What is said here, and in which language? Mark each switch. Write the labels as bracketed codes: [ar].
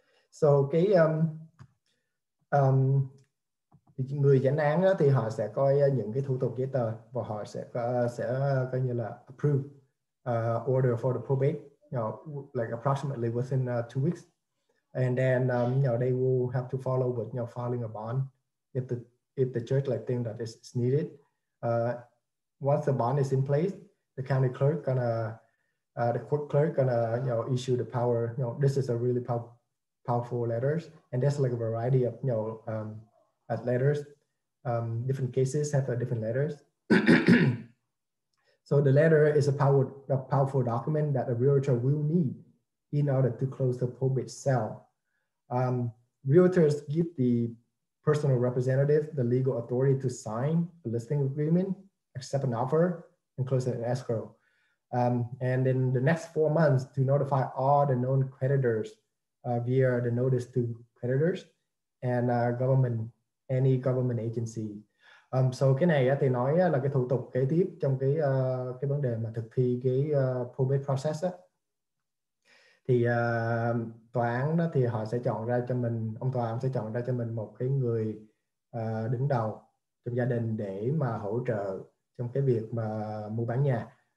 [vi] So cái người chánh án đó thì họ sẽ coi những cái thủ tục giấy tờ và họ sẽ coi như là [en] approve order for the probate, like approximately within 2 weeks. And then they will have to follow with filing a bond if the church like think that it's needed. Once the bond is in place, the county clerk the court clerk gonna issue the power. This is a really powerful letters, and there's like a variety of letters. Different cases have different letters. So the letter is a powerful document that a realtor will need in order to close the probate sale. Realtors give the personal representative the legal authority to sign the listing agreement, accept an offer, and close an escrow. And in the next 4 months to notify all the known creditors via the notice to creditors and any government agency. [vi] So cái này thì nói là cái thủ tục kế tiếp trong cái vấn đề mà thực thi cái probate process á. Thì tòa án đó thì họ sẽ chọn ra cho mình, ông tòa án sẽ chọn ra cho mình một cái người đứng đầu trong gia đình để mà hỗ trợ trong cái việc mà mua bán nhà.